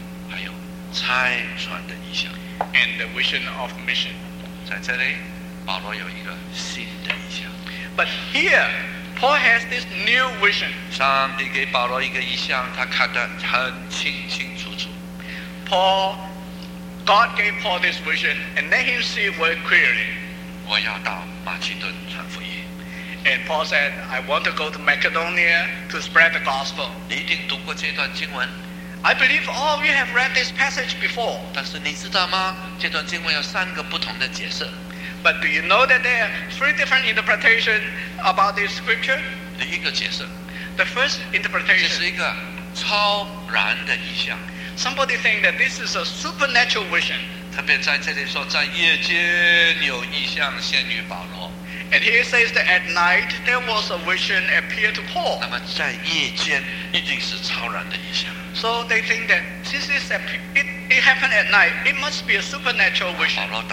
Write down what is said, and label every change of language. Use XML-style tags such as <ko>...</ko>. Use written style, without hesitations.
<zh>还有拆船的意象,</zh> <en>and the vision of mission.</en> <zh>在这里,保罗有一个新的意象。</zh> <en>But here, Paul has this new vision.</en> <zh>上帝给保罗一个意象, 他看得很清清楚楚。</zh> <en>Paul, God gave Paul this vision and let him see very clearly.</en> <zh>我要到马其顿传福音。</zh> <en>And Paul said, I want to go to Macedonia to spread the gospel.</en> <zh>你一定读过这段经文。</zh> <en>I believe all of you have read this passage before.</en> <zh>但是你知道吗? 这段经文有三个不同的解释。</zh> <en>But do you know that there are three different interpretations about this scripture?</en> <zh>第一个解释。</zh> <en>The first interpretation.</en> <zh>这是一个超然的意象。</zh> <en>Somebody think that this is a supernatural vision.</en> <zh>特别在这里说, 在夜间有异象现于保罗。</zh> <en>And he says that at night there was a vision appeared to Paul.</en> <zh>那么在夜间一定是超然的异象。</zh> <en>So they think that since it happened at night, it must be a supernatural vision.</en>